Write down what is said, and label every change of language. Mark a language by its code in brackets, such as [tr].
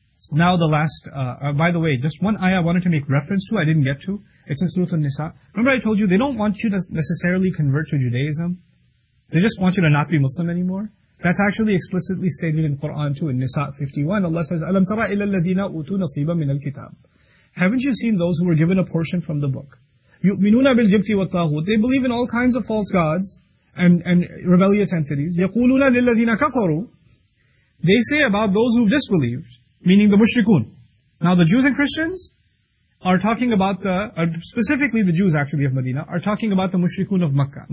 [en] Now the last, by the way, just one ayah I wanted to make reference to, I didn't get to. It's in Surah An-Nisa. Remember I told you, they don't want you to necessarily convert to Judaism. They just want you to not be Muslim anymore. That's actually explicitly stated in Quran too, in Nisa 51. Allah says, [ar] أَلَمْ تَرَ إِلَى الَّذِينَ أُوتُوا نَصِيبًا مِنَ الْكِتَابِ. [en] Haven't you seen those who were given a portion from the book? [ar] يُؤْمِنُونَ بِالْجِبْتِ وَالطَّاهُوتِ. [en] They believe in all kinds of false gods and rebellious entities. [ar] يَقُولُونَ لِلَّذِينَ كَفَرُوا. [en] They say about those who disbelieved, meaning the mushrikun. Now the Jews and Christians are talking about specifically the Jews actually of Medina, are talking about the mushrikun of Makkah.